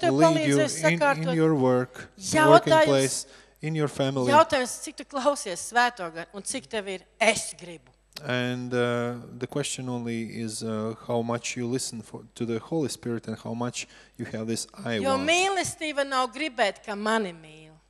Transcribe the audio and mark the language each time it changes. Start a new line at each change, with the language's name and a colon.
English: will lead you in your work, working place, in your family.
Latvian: Jautājums, cik tu klausies Svēto Garu un cik tev ir es gribu.
English: And the question only is how much you listen to the Holy Spirit and how much you have this I want.
Latvian: Jo mīlestība nav gribēt, ka mani mīl.